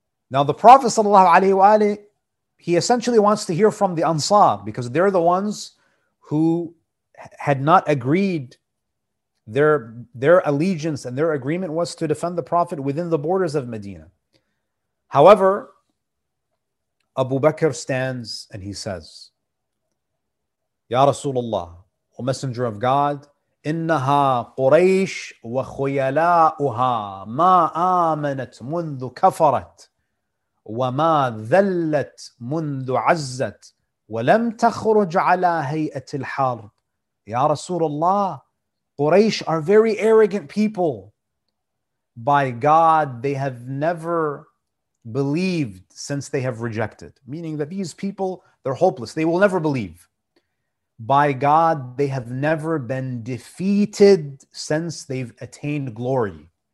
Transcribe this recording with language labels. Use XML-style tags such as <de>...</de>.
<en>Now the Prophet sallallahu alaihi wa alihi, he essentially wants to hear from the Ansar, because they're the ones who had not agreed. Their allegiance and their agreement was to defend the Prophet within the borders of Medina. However, Abu Bakr stands and he says, Ya Rasulullah, O Messenger of God,</en> <ar>إنها قريش وخيلاؤها ما آمنت منذ كفرت وما ذلت منذ عزت ولم تخرج على هيئة الحرب. يا رسول الله,</ar> <en>Quraysh are very arrogant people. By God, they have never believed since they have rejected. Meaning that these people, they're hopeless. They will never believe. By God, they have never been defeated since they've attained glory.</en>